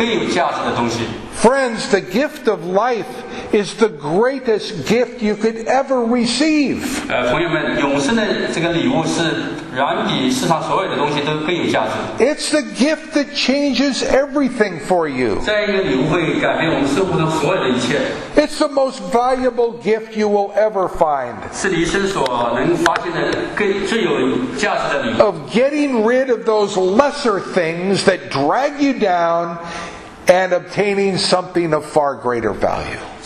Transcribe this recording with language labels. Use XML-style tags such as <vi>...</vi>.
<en>Friends, the gift of life is the greatest gift you could ever receive.</en> <zh>朋友们，永生的这个礼物是远比世上所有的东西都更有价值。</zh> <en>It's the gift that changes everything for you.</en> <zh>这样一个礼物会改变我们生活的所有的一切。</zh> <en>It's the most valuable gift you will ever find.</en> <zh>是你一生所能发现的最有价值的礼物。</zh> <en>Of getting rid of those lesser things that drag you down and obtaining something of far greater value.</en>